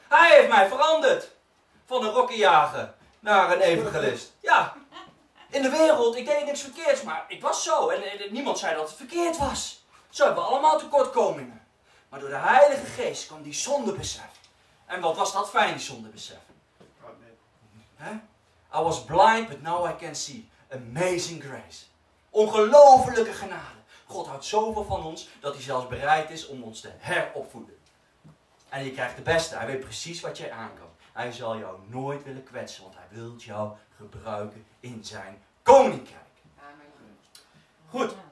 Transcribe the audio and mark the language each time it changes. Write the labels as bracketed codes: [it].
[nl] Hij heeft mij veranderd. Van een rockenjager naar een evangelist. Ja. In de wereld, ik deed niks verkeerds, maar ik was zo. En niemand zei dat het verkeerd was. Zo hebben we allemaal tekortkomingen. Maar door de Heilige Geest kwam die zonde besef. En wat was dat fijn, die zonde besef. [en] I was blind, but now I can see. Amazing grace. [nl] Ongelofelijke genade. God houdt zoveel van ons, dat hij zelfs bereid is om ons te heropvoeden. En je krijgt de beste. Hij weet precies wat jij aan kan. Hij zal jou nooit willen kwetsen, want hij wil jou gebruiken in zijn koninkrijk. Goed.